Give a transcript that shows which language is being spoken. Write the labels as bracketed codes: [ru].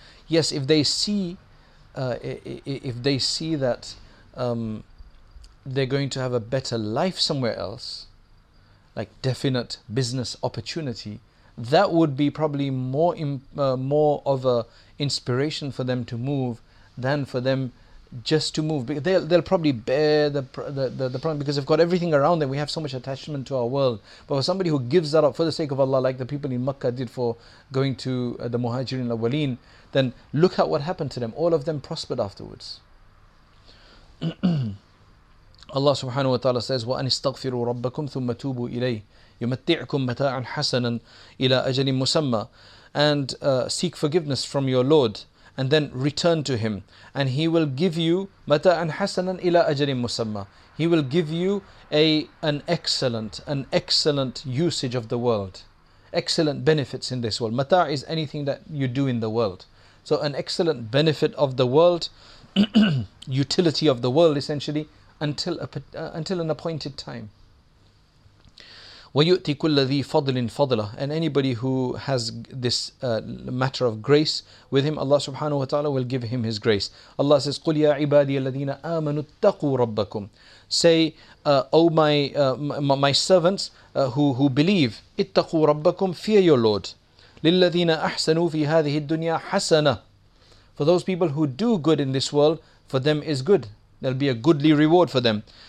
[en] Yes, if they see that they're going to have a better life somewhere else, like definite business opportunity, that would be probably more of a inspiration for them to move than for them just to move. Because they'll probably bear the problem, because they've got everything around them. We have so much attachment to our world. But for somebody who gives that up for the sake of Allah, like the people in Makkah did for going to the Muhajirin al-Awwaleen, then look at what happened to them. All of them prospered afterwards. [ar] Allah subhanahu wa ta'ala [en] says, [ar] وَأَنِ اسْتَغْفِرُوا رَبَّكُمْ ثُمَّ تُوبُوا إِلَيْهِ يُمَتِّعْكُمْ مَتَاعًا حَسَنًا إِلَىٰ أَجَلٍ مُسَمَّى. [en] And seek forgiveness from your Lord, and then return to Him, and He will give you [ar] مَتَاعًا حَسَنًا إِلَىٰ أَجَلٍ مُسَمَّى. [en] He will give you an excellent usage of the world. Excellent benefits in this world. مَتَاع is anything that you do in the world. So an excellent benefit of the world, utility of the world essentially, until an appointed time. [ar] وَيُؤْتِ كُلَّ ذِي فَضْلٍ فَضْلَهُ. [en] And anybody who has this matter of grace with him, Allah subhanahu wa ta'ala will give him his grace. [ar] Allah [en] says, [ar] قُلْ يَا عِبَادِيَ الَّذِينَ آمَنُوا اتَّقُوا رَبَّكُمْ. [en] Say, my servants who believe, [ar] اتَّقُوا رَبَّكُمْ, [en] fear your Lord. [ar] لِلَّذِينَ أَحْسَنُوا فِي هَذِهِ الدُّنْيَا حَسَنَةً. [en] For those people who do good in this world, for them is good. There'll be a goodly reward for them.